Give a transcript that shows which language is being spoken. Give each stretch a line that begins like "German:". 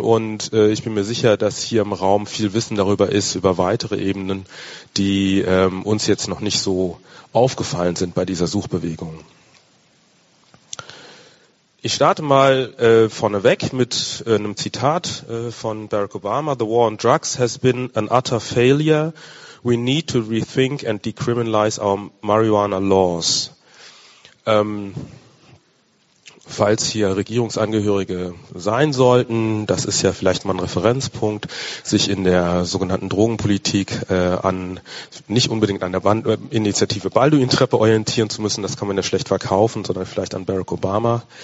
German: Und ich bin mir sicher, dass hier im Raum viel Wissen darüber ist, über weitere Ebenen, die uns jetzt noch nicht so aufgefallen sind bei dieser Suchbewegung. Ich starte mal vorneweg mit einem Zitat von Barack Obama.
English: The war on drugs has been an utter failure. We need to rethink and decriminalize our marijuana laws.
German: Falls hier Regierungsangehörige sein sollten, das ist ja vielleicht mal ein Referenzpunkt, sich in der sogenannten Drogenpolitik an nicht unbedingt an der Initiative Balduin-Treppe orientieren zu müssen, das kann man ja schlecht verkaufen, sondern vielleicht an Barack Obama.